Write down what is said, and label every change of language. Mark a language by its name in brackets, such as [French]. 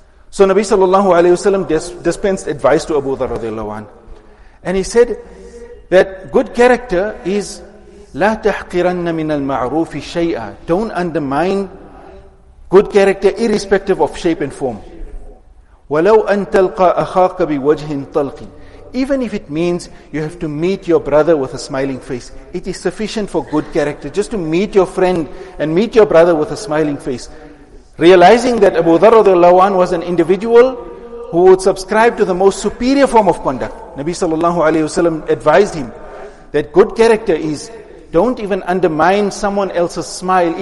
[English] So Nabi sallallahu alayhi wasallam dispensed advice to Abu Dharr radiallahu anhu. And he said that good character is لا تحقرن من المعروف شيئا. Don't undermine good character irrespective of shape and form. [Arabic] ولو أن تلقى أخاك بوجه طلق. [English] Even if it means you have to meet your brother with a smiling face, it is sufficient for good character. Just to meet your friend and meet your brother with a smiling face. Realizing that Abu Dharr radiallahu anhu was an individual who would subscribe to the most superior form of conduct, Nabi sallallahu alayhi wasallam advised him that good character is, don't even undermine someone else's smile.